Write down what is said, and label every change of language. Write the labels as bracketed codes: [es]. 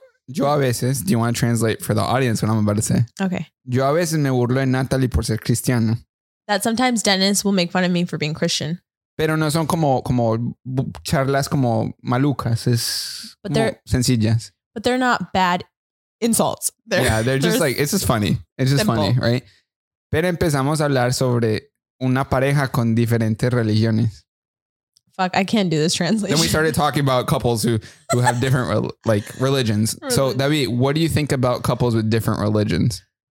[es] Yo a veces, [en] do you want to translate for the audience what I'm about to say? Okay. [es] Yo a veces me burlo de Natalie por ser cristiana. [en] That sometimes Dennis will make fun of me for being Christian. [es] Pero no son como charlas como malucas, es [en] but they're, [es] sencillas. [en] But they're not bad insults. They're just like, it's just funny. It's just simple. Funny, right? [es] Pero empezamos a hablar sobre una pareja con diferentes religiones. [en] Fuck, I can't do this translation. Then we started talking about couples who have different like religions. So, David, what do you think about couples with different religions?